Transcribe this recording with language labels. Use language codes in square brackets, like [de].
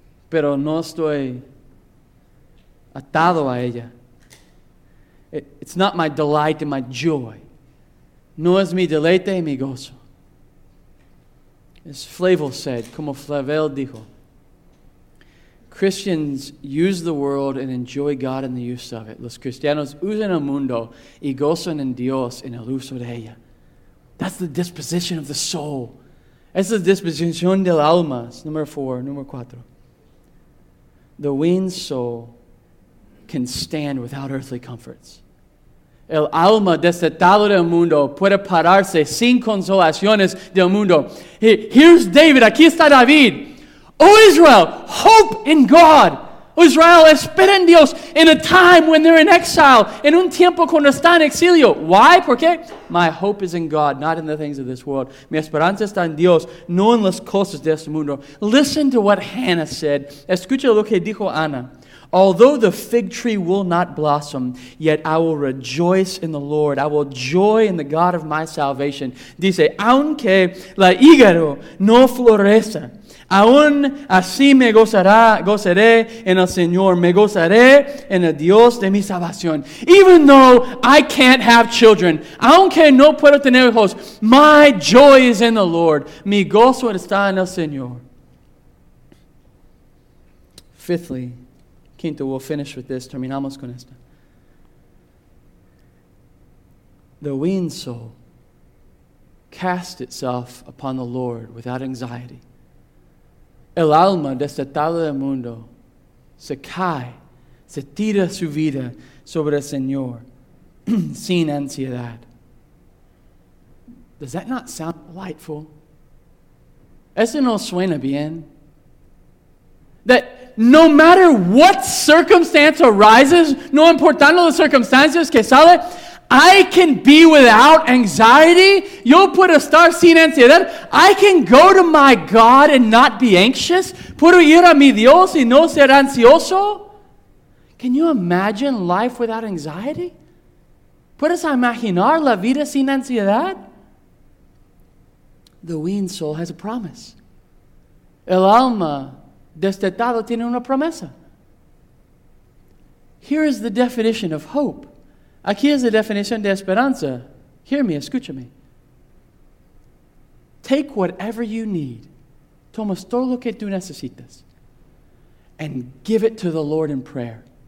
[es] Pero no estoy atado a ella. [en] It's not my delight and my joy. [es] No es mi deleite y mi gozo. [en] As Flavel said, [es] como Flavel dijo, [en] Christians use the world and enjoy God in the use of it. [es] Los cristianos usan el mundo y gozan en Dios en el uso de ella. [en] That's the disposition of the soul. [es] Es la disposición del alma. Número cuatro. [en] The weaned soul can stand without earthly comforts. [es] El alma desatado del mundo puede pararse sin consolaciones del mundo. [en] Here's David. [es] Aquí está David. [en] O Israel, hope in God. [es] O Israel, espera en Dios [en] in a time when they're in exile, [es] en un tiempo cuando está en exilio. [en] Why? ¿Por qué? My hope is in God, not in the things of this world. [es] Mi esperanza está en Dios, no en las cosas de este mundo. [en] Listen to what Hannah said. [es] Escucha lo que dijo Ana. [en] Although the fig tree will not blossom, yet I will rejoice in the Lord. I will joy in the God of my salvation. [es] Dice, aunque la hígado no florezca, aún así me gozaré en el Señor. Me gozaré en el Dios de mi salvación. [en] Even though I can't have children, [es] aunque no puedo tener hijos, [en] my joy is in the Lord. [es] Mi gozo está en el Señor. [en] Fifthly, [es] quinto, [en] we'll finish with this. [es] Terminamos con esto. [en] The weaned soul casts itself upon the Lord without anxiety. [es] El alma desatada del mundo se cae, se tira su vida sobre el Señor sin ansiedad. [en] Does that not sound delightful? [es] Eso no suena bien. [en] That no matter what circumstance arises, [es] no importando las circunstancias que sale, [en] I can be without anxiety. [es] Yo puedo estar sin ansiedad. [en] I can go to my God and not be anxious. [es] Puedo ir a mi Dios y no ser ansioso. [en] Can you imagine life without anxiety? [es] ¿Puedes imaginar la vida sin ansiedad? [en] The weaned soul has a promise. [es] El alma destetado tiene una promesa. [en] Here is the definition of hope. [es] Aquí es la definición de esperanza. [en] Hear me, [es] escúchame. [en] Take whatever you need. [es] Toma todo lo que tú necesitas. [en] And give it to the Lord in prayer.